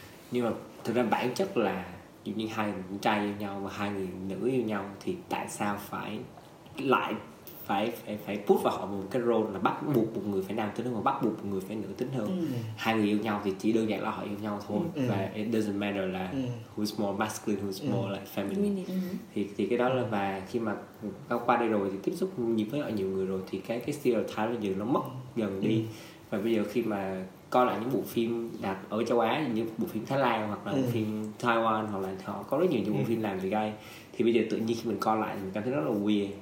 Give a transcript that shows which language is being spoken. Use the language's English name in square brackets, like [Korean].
[Vietnamese] Nhưng mà thực ra bản chất là dù như hai người trai yêu nhau và hai người nữ yêu nhau thì tại sao phải put vào họ một cái role là bắt buộc một người phải nam tính hơn và bắt buộc một người phải nữ tính hơn. Hai người yêu nhau thì chỉ đơn giản là họ yêu nhau thôi. Và [English] it doesn't matter [Vietnamese] là [English] who's more masculine, who's more like feminine. [Vietnamese] Thì cái đó là, và khi mà tao qua đây rồi thì tiếp xúc nhiều với họ nhiều người rồi thì cái stereotype nó nó mất dần đi. Và bây giờ khi mà coi lại những bộ phim đặt ở châu Á như bộ phim Thái Lan hoặc là bộ phim Taiwan hoặc là họ có rất nhiều những bộ phim làm về gay, thì bây giờ tự nhiên khi mình coi lại thì mình cảm thấy rất là weird.